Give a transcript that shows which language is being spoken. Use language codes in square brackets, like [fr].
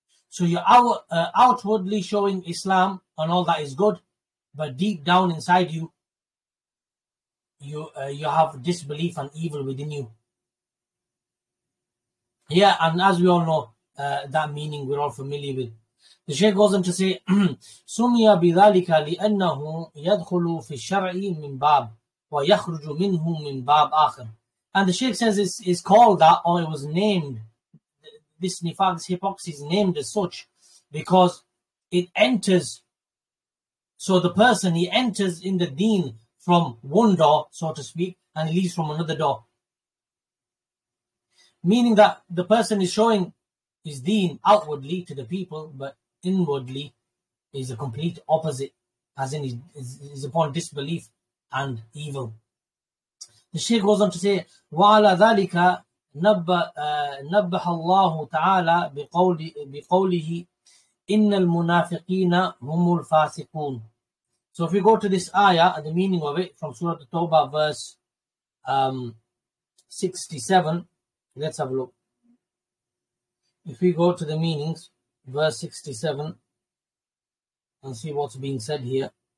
[en] So you're outwardly showing Islam and all that is good, but deep down inside you, you have disbelief and evil within you. Yeah, and as we all know, that meaning we're all familiar with. The Shaykh goes on to say, [ar] سُمِيَ بِذَلِكَ لِأَنَّهُ يَدْخُلُ فِي الشَّرْعِ مِنْ بَابٍ وَيَخْرُجُ مِنْهُ مِنْ بَابٍ آخر. [en] And the Shaykh says it's called that, or it was named, this nifaq, this hypocrisy is named as such because it enters, so the person, he enters in the deen from one door, so to speak, and he leaves from another door. Meaning that the person is showing his deen outwardly to the people, but inwardly is a complete opposite, as in is upon disbelief and evil. The Shaykh goes on to say, [ar] وَعَلَى ذَلِكَ نبه الله تعالى بقوله إن المنافقين هم الفاسقون. [en] So if we go to this ayah and the meaning of it from Surah At-Tawbah, verse 67, let's have a look. If we go to the meanings, verse 67, and see what's being said here.